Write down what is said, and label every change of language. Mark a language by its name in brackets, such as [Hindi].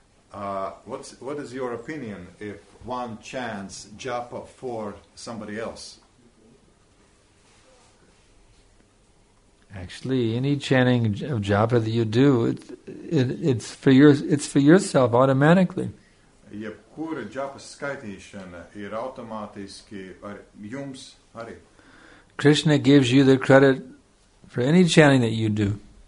[English] What is your opinion if one chants japa for somebody else? Actually, any chanting of japa that you do, it's for yourself automatically. [Latvian] Jebkura japa skaitīšana ir automātiski ar jums arī. [English] Krishna gives you the credit for any chanting that you do.